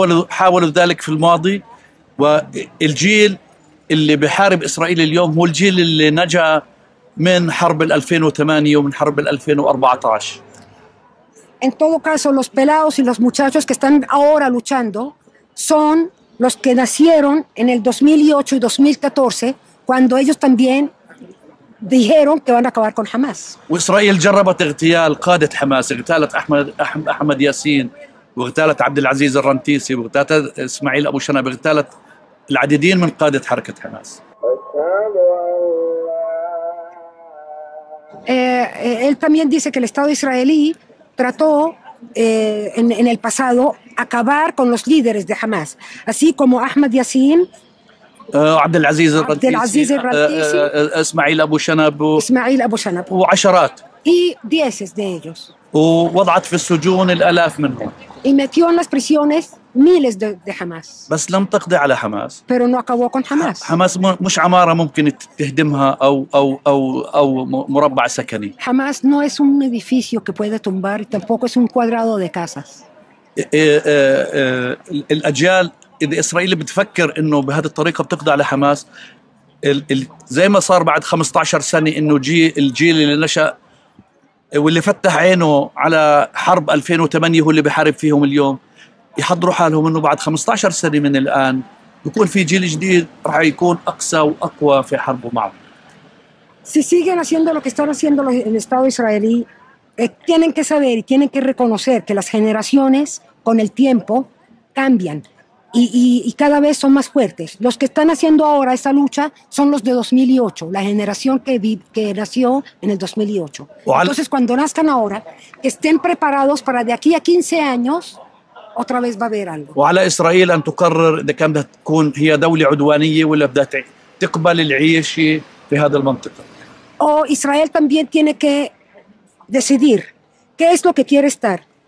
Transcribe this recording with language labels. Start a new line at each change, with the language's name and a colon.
Arabic: حاولوا ذلك في الماضي والجيل. اللي بحارب إسرائيل اليوم هو الجيل اللي نجا من حرب 2008 ومن حرب 2014.
Spanish: En todo caso, los pelados y los muchachos que están ahora luchando son los que nacieron en el 2008 y 2014 cuando ellos también dijeron que van a acabar con Hamas.
Arabic: وإسرائيل جربت اغتيال قادة حماس، اغتالت أحمد ياسين، واغتالت عبد العزيز الرنتيسي، واغتالت إسماعيل أبو شنب، اغتالت العديدين من قادة حركة حماس.
Spanish: Él también dice que el Estado israelí trató en el pasado acabar con los líderes de Hamas, así como Ahmed Yassin,
Arabic: عبد العزيز الرنتيسي, إسماعيل أبو شنب, وعشرات.
Spanish: Y dieces de ellos.
Arabic: ووضعت في السجون الآلاف منهم.
Spanish: Y metió en las prisiones miles de Hamas.
Arabic: بس لم تقضي على حماس.
Spanish: Pero no acabó con Hamas.
Arabic: حماس مش عمارة ممكن تهدمها أو أو أو أو مربع سكني.
Spanish: Hamas no es un edificio que puede tumbar y tampoco es un cuadrado de casas.
Arabic: الأجيال إذا إسرائيل بتفكر إنه بهذه الطريقة بتقضي على حماس زي ما صار بعد 15 سنة إنه الجيل اللي نشأ واللي فتح عينه على حرب 2008 هو اللي بحارب فيهم اليوم يحضروا حالهم انه بعد 15 سنه من الان يكون في جيل جديد راح يكون اقسى واقوى في حربه معهم.
Spanish: Si siguen haciendo lo que están haciendo el Estado israelí, tienen que saber y tienen que reconocer que las generaciones con el tiempo cambian y cada vez son más fuertes. Los que están haciendo ahora esa lucha son los de 2008, la generación que nació en el 2008. Entonces, cuando nazcan ahora, que estén preparados para de aquí a 15 años, otra vez va a haber algo.
Arabic: وعلى إسرائيل أن تقرر إذا كانت تكون هي دولة عدوانية ولا بدها تقبل العيش في هذه المنطقة.
Spanish: O Israel también tiene que decidir qué es lo que quiere estar.